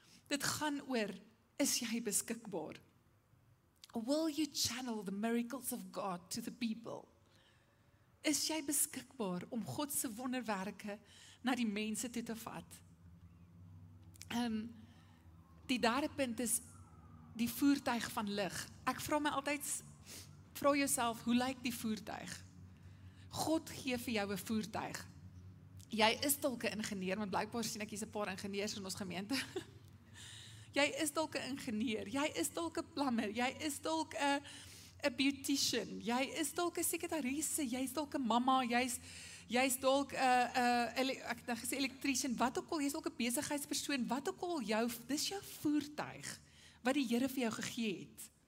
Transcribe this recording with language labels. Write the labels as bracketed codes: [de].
[af] Dit gaan oor, is jy beskikbaar? [en] Will you channel the miracles of God to the people? [af] Is jy beskikbaar om God se wonderwerke na die mense toe te vat? Die derde punt is die voertuig van lig. Ek vraag my altyd, vraag jouself, hoe lyk die voertuig? God gee vir jou 'n voertuig. Jy is dalk 'n ingenieur, want blykbaar sien ek hier 'n paar ingenieurs in ons gemeente. Jy is dalk 'n ingenieur, jy is dalk 'n plammer, jy is dalk 'n beautician, jy is dalk 'n sekretarisse, jy is dalk 'n mamma, jy is dalk elektriesien, wat ook al, jy is dalk 'n besigheidspersoon, wat ook al jou, dis jou voertuig, wat die Here vir jou gegee het.